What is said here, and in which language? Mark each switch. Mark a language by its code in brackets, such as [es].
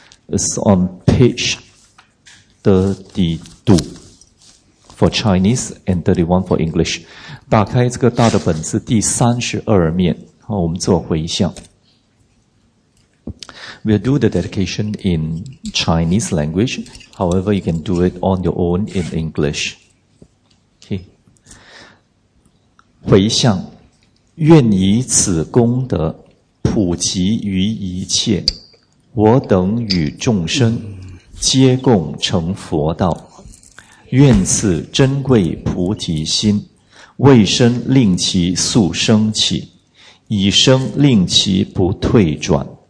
[en] It's on page 32 for Chinese and 31 for English。 [zh] 打开这个大的本子第32面，好，我们做回向。 [en] We'll do the dedication in Chinese language. However, you can do it on your own in English. Okay. [zh] 回向，愿以此功德普及于一切，我等与众生皆共成佛道。愿此珍贵菩提心，未生令其速升起，已生令其不退转。